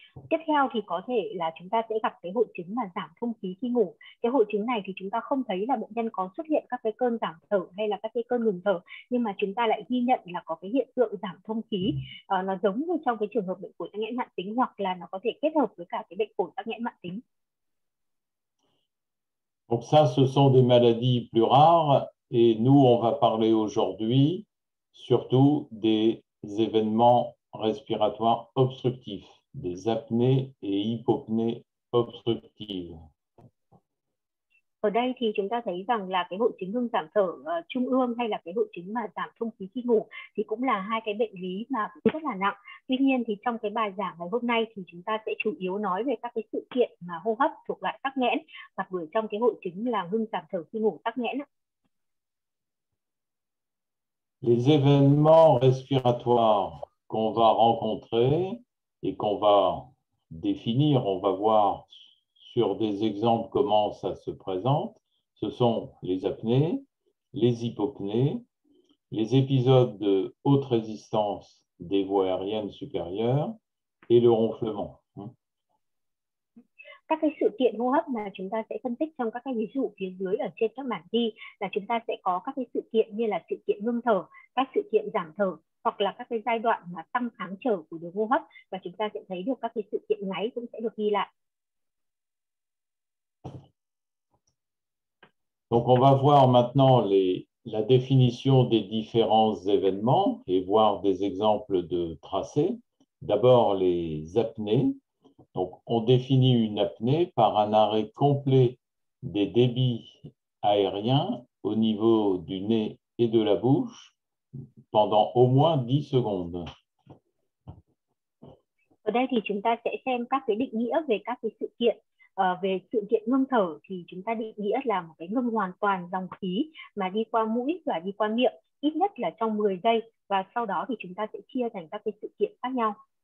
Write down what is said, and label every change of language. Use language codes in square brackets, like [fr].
[vi] Tiếp theo thì có thể là chúng ta sẽ gặp cái hội chứng mà giảm thông khí khi ngủ. Cái hội chứng này thì chúng ta không thấy là bệnh nhân có xuất hiện các cái cơn giảm thở hay là các cái cơn ngừng thở, nhưng mà chúng ta lại ghi nhận là có cái hiện tượng giảm thông khí. Nó giống như trong cái trường hợp bệnh phổi tắc nghẽn mãn tính, hoặc là nó có thể kết hợp với cả cái bệnh phổi tắc nghẽn mãn tính. [fr] Donc ça, ce sont des maladies plus rares et nous, on va parler aujourd'hui surtout des événements respiratoires obstructifs. Des apnées et hypopnées obstructives. [vi] Ở đây thì chúng ta thấy rằng là cái hội chứng ngưng giảm thở trung ương hay là cái hội chứng mà giảm thông khí khi ngủ thì cũng là hai cái bệnh lý mà rất là nặng. Tuy nhiên thì trong cái bài giảng ngày hôm nay thì chúng ta sẽ chủ yếu nói về các cái sự kiện mà hô hấp thuộc loại tắc nghẽn và gửi trong cái hội chứng là ngưng giảm thở khi ngủ tắc nghẽn. [fr] Les événements respiratoires qu'on va rencontrer et qu'on va définir, on va voir sur des exemples comment ça se présente. Ce sont les apnées, les hypopnées, les épisodes de haute résistance des voies aériennes supérieures et le ronflement. [vi] Các cái sự kiện hô hấp mà chúng ta sẽ phân tích trong các cái ví dụ phía dưới ở trên các bảng ghi là chúng ta sẽ có các cái sự kiện như là sự kiện ngưng thở, các sự kiện giảm thở, hoặc là các cái giai đoạn mà tăng kháng trở của đường hô hấp, và chúng ta sẽ thấy được các cái sự kiện ngáy cũng sẽ được ghi lại. [fr] Donc on va voir maintenant la définition des différents événements et voir des exemples de tracés. D'abord les apnées. Donc on définit une apnée par un arrêt complet des débits aériens au niveau du nez et de la bouche pendant au moins 10 secondes. [vi] Ở đây thì chúng ta sẽ xem các cái định nghĩa về các cái sự kiện. Về sự kiện ngưng thở thì chúng ta định nghĩa là một cái ngưng hoàn toàn dòng khí mà đi qua mũi và đi qua miệng ít nhất là trong 10 giây, và sau đó thì chúng ta sẽ chia thành các cái sự kiện khác nhau.